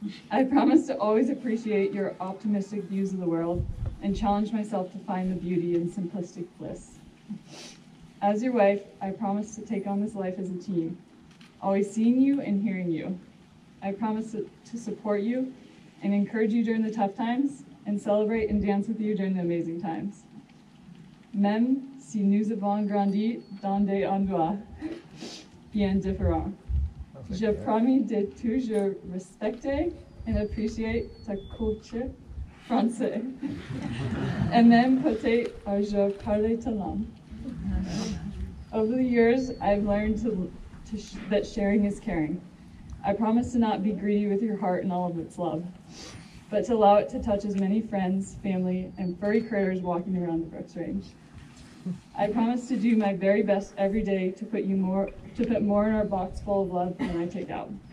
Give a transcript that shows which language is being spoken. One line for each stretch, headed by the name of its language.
English: I promise to always appreciate your optimistic views of the world and challenge myself to find the beauty in simplistic bliss. As your wife, I promise to take on this life as a team, always seeing you and hearing you. I promise to support you and encourage you during the tough times and celebrate and dance with you during the amazing times.
French: Même si nous avons grandi dans des endroits bien différents. Je promets de toujours respecter et apprécier ta culture française. Et même peut-être je parle ta langue.
English: Over the years, I've learned that sharing is caring. I promise to not be greedy with your heart and all of its love, but to allow it to touch as many friends, family, and furry critters walking around the Brooks Range. I promise to do my very best every day to put more in our box full of love than I take out.